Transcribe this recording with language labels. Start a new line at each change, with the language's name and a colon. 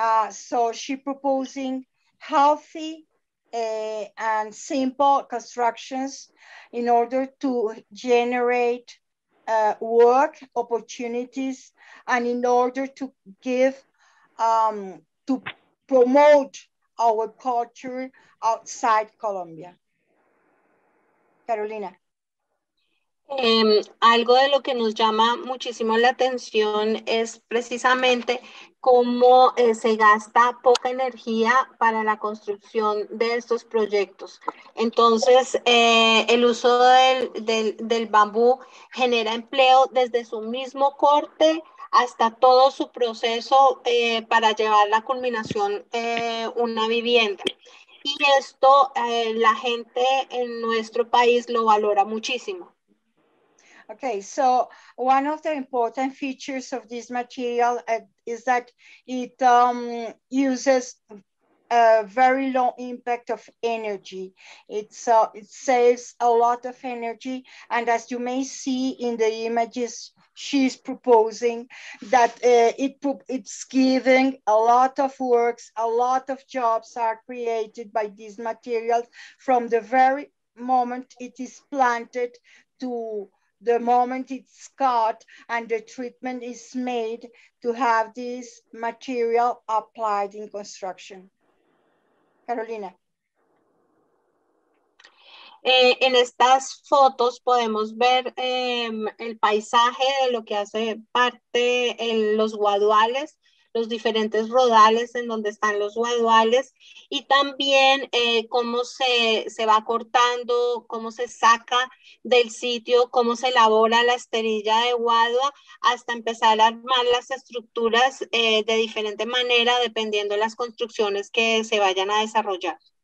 English: So she proposing healthy and simple constructions in order to generate work opportunities and in order to give to promote our culture outside Colombia. Carolina.
Spanish: Algo de lo que nos llama muchísimo la atención es precisamente cómo se gasta poca energía para la construcción de estos proyectos. Entonces, el uso del bambú genera empleo desde su mismo corte hasta todo su proceso para llevar la culminación una vivienda. Y esto la gente en nuestro país lo valora muchísimo.
English: Okay, so one of the important features of this material is that it uses a very low impact of energy. It saves a lot of energy, and as you may see in the images she's proposing, that it's giving a lot of works, a lot of jobs are created by these materials from the very moment it is planted to the moment it's cut and the treatment is made to have this material applied in construction. Carolina.
Spanish: En estas fotos podemos ver el paisaje de lo que hace parte en los guaduales, los diferentes rodales en donde están los guaduales y también cómo se va cortando, cómo se saca del sitio, cómo se elabora la esterilla de guadua hasta empezar a armar las estructuras de diferente manera dependiendo de las construcciones que se vayan a desarrollar.